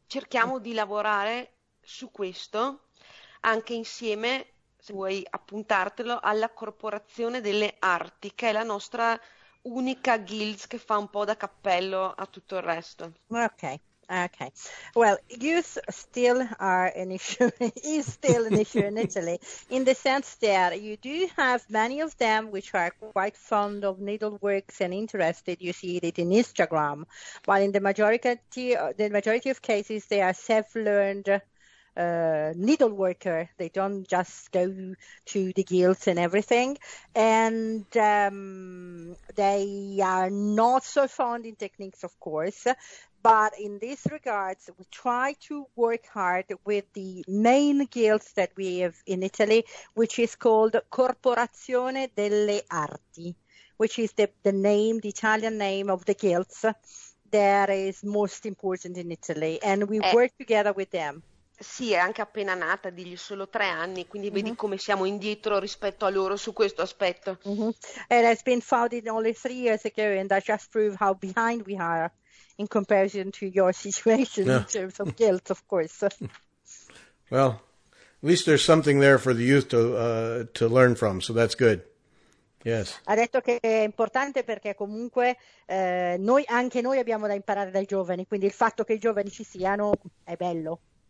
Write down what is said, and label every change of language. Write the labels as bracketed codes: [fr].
[it] Cerchiamo di lavorare su questo anche insieme, se vuoi appuntartelo, alla Corporazione delle Arti, che è la nostra unica guilds che fa un po' da cappello a tutto il resto. [en] Okay. Well, youth still are an issue, is still an issue in Italy, in the sense that you do have many of them which are quite fond of needleworks and interested. You see it in Instagram, but in the majority of cases, they are self-learned needleworker. They don't just go to the guilds and everything, and they are not so fond in techniques, of course. But in this regards, we try to work hard with the main guilds that we have in Italy, which is called Corporazione delle Arti, which is the name, the Italian name of the guilds that is most important in Italy, and we work together with them. [it] Sì, è anche appena nata, digli solo 3 anni, quindi vedi come siamo indietro rispetto a loro su questo aspetto. [en] It has been founded only 3 years ago, and that just proves how behind we are in comparison to your situation in Yeah. terms of guilt, of course. Well, at least there's something there for the youth to learn from, so that's good. Yes. [it] Ha detto che è importante perché comunque noi, anche noi abbiamo da imparare dai giovani, quindi il fatto che i giovani ci siano è bello.